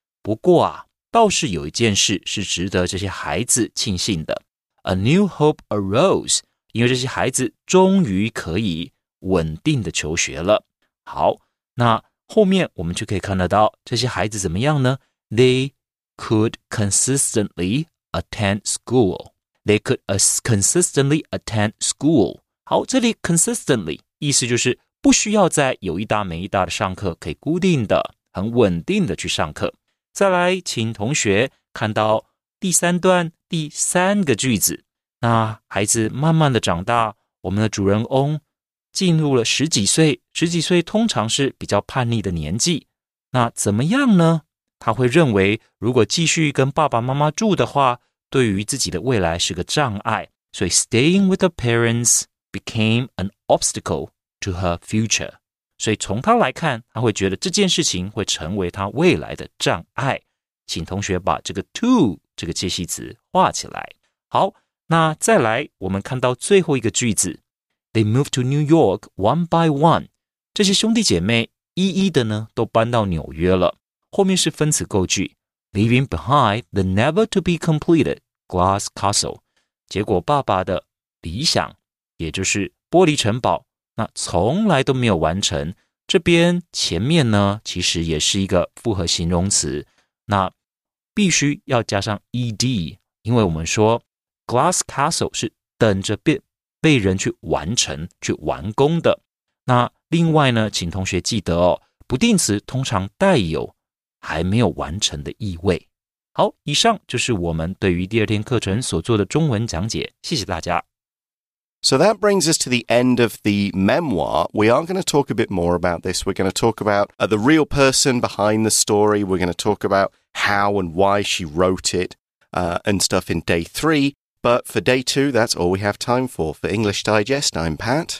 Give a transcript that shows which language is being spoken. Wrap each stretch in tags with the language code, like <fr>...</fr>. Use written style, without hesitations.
<zh>不过啊，倒是有一件事是值得这些孩子庆幸的。</zh> <en>A new hope arose,</en> <zh>因为这些孩子终于可以稳定的求学了。好，那后面我们就可以看得到这些孩子怎么样呢？</zh> <en>They could consistently attend school. They could consistently attend school.</en> <zh>好，这里 consistently 意思就是不需要再有一搭没一搭的上课，可以固定的、很稳定的去上课。再来，请同学看到第三段第三个句子。那孩子慢慢的长大，我们的主人翁进入了十几岁，十几岁通常是比较叛逆的年纪。那怎么样呢？他会认为，如果继续跟爸爸妈妈住的话，对于自己的未来是个障碍，所以</zh> <en>staying with her parents became an obstacle to her future.</en> <zh>所以从他来看，他会觉得这件事情会成为他未来的障碍。请同学把这个 to 这个介系词画起来。好，那再来，我们看到最后一个句子 ，</zh> <en>They moved to New York one by one.</en> <zh>这些兄弟姐妹一一的呢都搬到纽约了。后面是分词构句。</zh> <en>Leaving behind the never-to-be-completed glass castle.</en> <zh>结果爸爸的理想也就是玻璃城堡那从来都没有完成。这边前面呢其实也是一个复合形容词。那必须要加上 ed, 因为我们说 glass castle 是等着被人去完成去完工的。那另外呢，请同学记得哦，不定词通常带有还没有完成的意味。好，以上就是我们对于第二天课程所做的中文讲解，谢谢大家。</zh> <en>So that brings us to the end of the memoir. We are going to talk a bit more about this. We're going to talk about the real person behind the story. We're going to talk about how and why she wrote it and stuff in day three. But for day two, that's all we have time for. For English Digest, I'm Pat.</en>